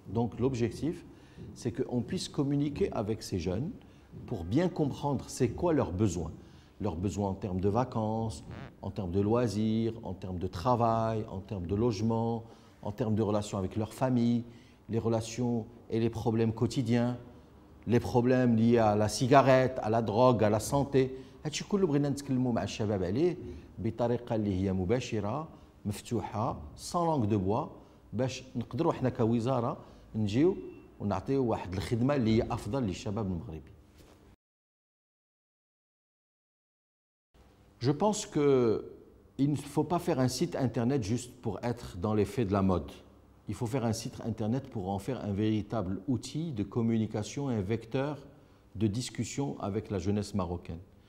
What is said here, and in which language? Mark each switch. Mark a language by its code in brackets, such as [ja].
[fr] Donc, l'objectif, c'est qu'on puisse communiquer avec ces jeunes pour bien comprendre c'est quoi leurs besoins. Leurs besoins en termes de vacances, en termes de loisirs, en termes de travail, en termes de logement, en termes de relations avec leur famille, les relations et les problèmes quotidiens, les problèmes liés à la cigarette, à la drogue, à la santé. Et tu peux le brûler dans quel moment, [ar] Shabab Ali, بطريقة اللي هي مباشرة مفتوحة [fr] sans langue de bois, [ar] باش نقدروا إحنا كوزارة نجيو ونعطيو واحد الخدمة اللي هي أفضل للشباب المغربي. [fr] Je pense qu'il ne faut pas faire un site internet juste pour être dans les faits de la mode. Il faut faire un site internet pour en faire un véritable outil de communication, un vecteur de discussion avec la jeunesse marocaine.